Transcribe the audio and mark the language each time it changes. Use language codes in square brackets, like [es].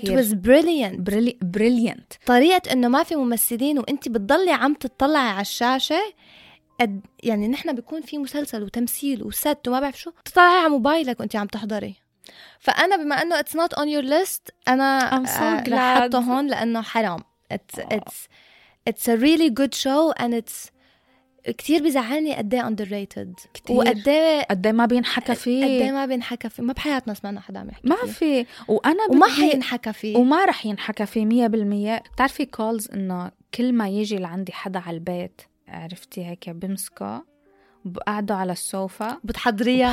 [en] it was brilliant. brilliant [ar] طريقه انه ما في ممثلين وانت بتضلي عم تطلعي على الشاشه يعني نحن بيكون في مسلسل وتمثيل وست وما بعرف شو تطلعي على موبايلك وانت عم تحضري فانا بما انه [en] it's not on your list [ar] انا حطه هون لانه حرام [en] it's a really good show and it's [ar] كتير بزعلني قد ايه underrated كتير وقد ايه ما بينحكى فيه قد ايه ما بينحكى فيه ما بحياتنا سمعنا حدا عم يحكي ما في وانا وما حينحكى فيه وما رح ينحكى فيه 100% بتعرفي كولز انه كل ما يجي لعندي حدا على البيت عرفتي هيك بمسكه بقعده على السوفا بتحضريها